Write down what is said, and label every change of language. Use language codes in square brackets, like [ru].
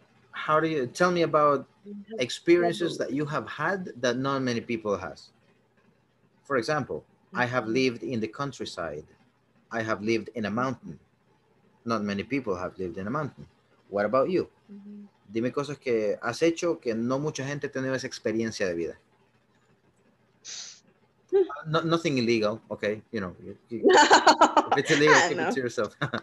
[en] How do you tell me about experiences that you have had that not many people has? For example, I have lived in the countryside. I have lived in a mountain. Not many people have lived in a mountain. What about you? Mm-hmm. [es] Dime cosas que has hecho que no mucha gente tiene esa experiencia de vida. [en] Nothing illegal, okay, you know, if it's illegal, keep it to yourself.